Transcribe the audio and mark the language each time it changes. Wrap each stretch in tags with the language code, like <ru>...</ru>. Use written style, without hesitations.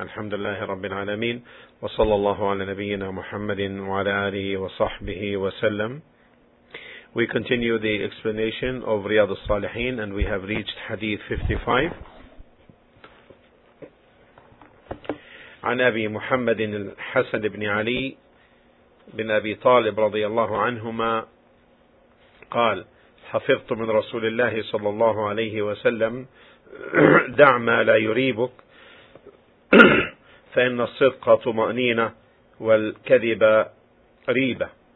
<ar>الحمد لله رب العالمين، وصلى الله على نبينا محمد وعلى آله وصحبه وسلم.</ar> <en>We continue the explanation of Riyad al-Salihin and we have reached Hadith 55.</en> <ar>عن أبي محمد الحسن بن علي بن أبي طالب رضي الله عنهما قال حفظت من رسول الله صلى الله عليه وسلم دع ما لا يريبك فإن الصدق طمأنينة والكذب ريبة.</ar>